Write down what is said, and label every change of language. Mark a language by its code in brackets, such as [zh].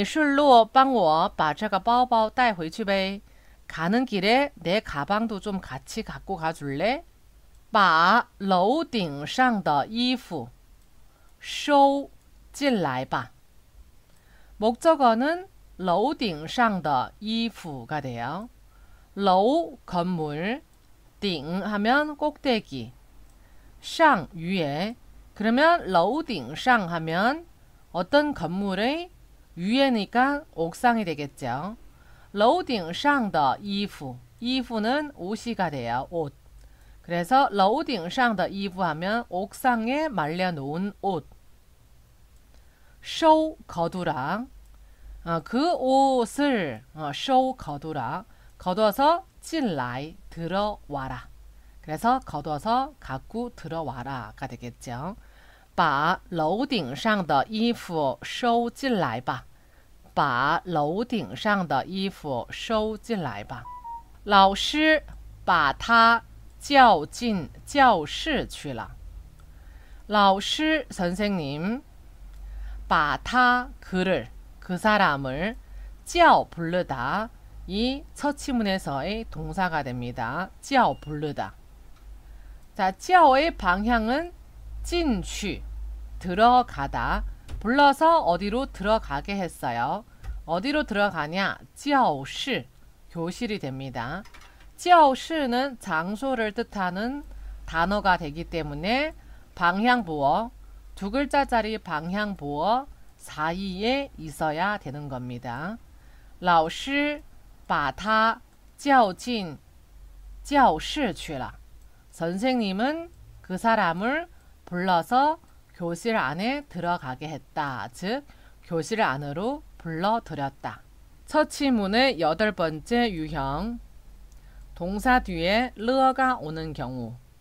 [zh] 你顺路帮我把这个包包带回去呗.你顺路帮我把这个包包带回去呗. [ko] 가는 길에 내 가방도 좀 같이 갖고 가줄래? [zh] 把楼顶上的衣服收进来吧. [ko] 목적어는 楼顶上的衣服 가 돼요. 楼 건물, 顶 하면 꼭대기, 上 위에. 그러면 楼顶上 하면 어떤 건물의 위에니까 옥상이 되겠죠. 楼顶上的衣服, 衣服는 옷이가 돼요. 옷. 그래서 楼顶上的衣服 하면 옥상에 말려놓은 옷. 쇼 거두랑 그 옷을 쇼 거두랑 거두어서 진라이 들어와라. 그래서 거두어서 갖고 들어와라가 되겠죠. [zh] 把楼顶上的衣服收进来吧。把楼顶上的衣服收进来吧。老师把他叫进教室去了。 [ko] 老师선생님 把他 그 사람을 叫불르다이 처치문에서의 동사가 됩니다. 叫불르다. 자, 叫의 방향은 进去 들어가다. 불러서 어디로 들어가게 했어요? 어디로 들어가냐? 教室, 교실이 됩니다. 教室는 장소를 뜻하는 단어가 되기 때문에 방향부어, 두 글자짜리 방향부어 사이에 있어야 되는 겁니다. [zh] 老师 把他叫进教室去了。 [ko] 선생님은 그 사람을 불러서 교실 안에 들어가게 했다. 즉, 교실 안으로 불러들였다. 처치문의 여덟 번째 유형. 동사 뒤에 了가 오는 경우.